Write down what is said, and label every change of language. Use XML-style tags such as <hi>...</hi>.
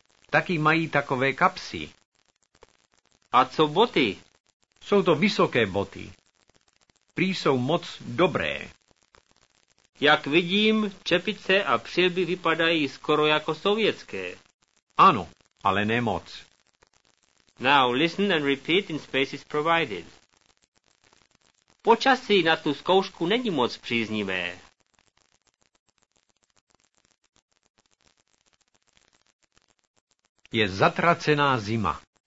<cs>Taky mají takové kapsy. A co boty? Jsou to vysoké boty. Prý jsou moc dobré. Jak vidím, čepice a přilby vypadají skoro jako sovětské. Ano, ale ne moc.</cs> <en>Now listen and repeat in spaces provided.</en> <cs>Počasí na tu zkoušku není moc příznivé. Je zatracená zima.</cs>